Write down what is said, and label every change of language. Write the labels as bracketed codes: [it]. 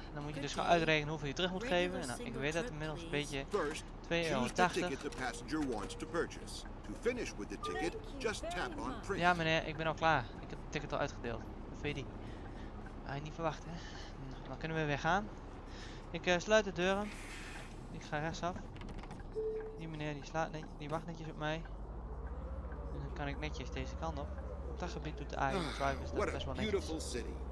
[nl] Dan moet je dus gaan uitrekenen hoeveel je terug moet geven. Nou, ik weet dat inmiddels een beetje. [en] First, choose the ticket the passenger wants to purchase. To finish with the ticket, just tap on print. [nl] Ja, meneer, ik ben al klaar. Ik heb het ticket al uitgedeeld. Of weet je die? Had je niet verwacht, hè? Nou, dan kunnen we weer gaan. Ik sluit de deuren. Ik ga rechtsaf. Die meneer die slaat die wacht netjes op mij. En dan kan ik netjes deze kant op. Op dat gebied doet de AI driver is dat best wel netjes.